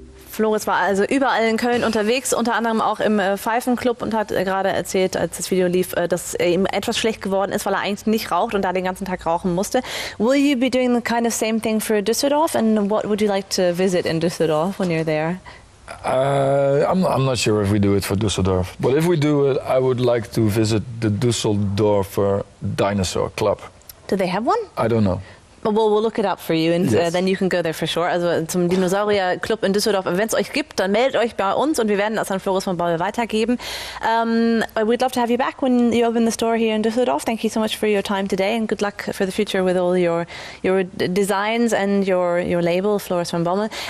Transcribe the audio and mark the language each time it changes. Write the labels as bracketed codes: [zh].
[de] Floris war also überall in Köln unterwegs, unter anderem auch im Pfeifenclub und hat gerade erzählt, als das Video lief, dass ihm etwas schlecht geworden ist, weil er eigentlich nicht raucht und da den ganzen Tag rauchen musste. [en] Will you be doing the kind of same thing for Düsseldorf? And what would you like to visit in Düsseldorf when you're there? I'm not sure if we do it for Düsseldorf. But if we do it, I would like to visit the Düsseldorfer Dinosaur Club. Do they have one? I don't know. Well, we'll look it up for you and then you can go there for sure. [de] Also zum Dinosaurier-Club in Düsseldorf. Wenn es euch gibt, dann meldet euch bei uns und wir werden das an Floris von Baumel weitergeben. [en] We'd love to have you back when you open the store here in Düsseldorf. Thank you so much for your time today and good luck for the future with all your designs and your label, Floris von Baumel.